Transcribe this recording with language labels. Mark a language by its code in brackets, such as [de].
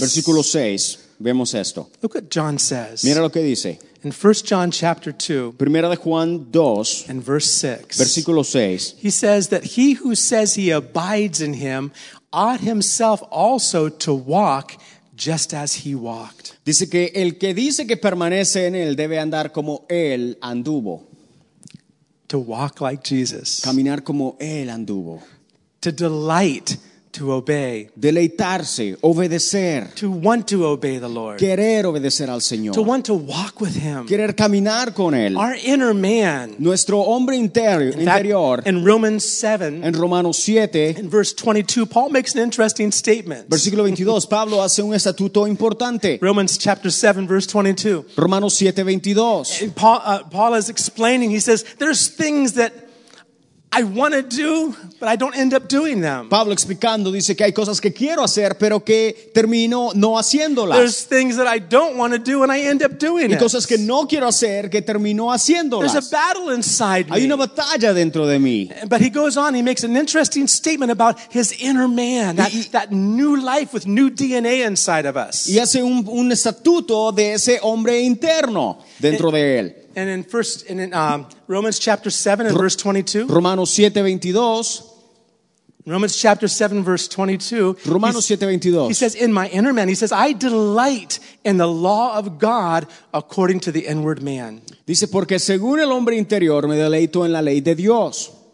[es] Versículo 6. Vemos esto. [en] Look what John says. [es] Mira lo que dice. [en] In 1 John chapter 2. [es] Primera de Juan 2. [en] And verse 6. [es] Versículo 6. [en] He says that he who says he abides in him ought himself also to walk just as he walked. [es] Dice que el que dice que permanece en él debe andar como él anduvo. [en] To walk like Jesus. [es] Caminar como él anduvo. [en] To delight to obey. [es] Deleitarse, obedecer. [en] To want to obey the Lord. [es] Querer obedecer al Señor. [en] To want to walk with Him. [es] Querer caminar con Él. [en] Our inner man. [es] Nuestro hombre interior. [en] In Romans 7. [es] En Romanos 7. [en] In verse 22, Paul makes an interesting statement. [es] Versículo 22, Pablo hace un estatuto importante. [en] Romans chapter 7, verse 22. [es] Romanos 7, 22. [en] Paul is explaining, he says, there's things that I want to do, but I don't end up doing them. [es] Pablo explicando, dice que hay cosas que quiero hacer, pero que termino no haciéndolas. [en] There's things that I don't want to do, and I end up doing it. [es] Y cosas que no quiero hacer, que termino haciéndolas. [en] There's a battle inside [es] me. Hay una batalla dentro de mí. [en] But he goes on, he makes an interesting statement about his inner man, that new life with new DNA inside of us. [es] Y hace un estatuto de ese hombre interno dentro de él. [en] And in first, and in Romans chapter 7 and verse 22. [es] Romanos 7, 22. [en] Romans chapter 7, verse 22. [es] Romanos 7, 22. [en] He says, in my inner man, he says, I delight in the law of God according to the inward man. [es] Dice, porque según el hombre interior me deleito en la ley de Dios.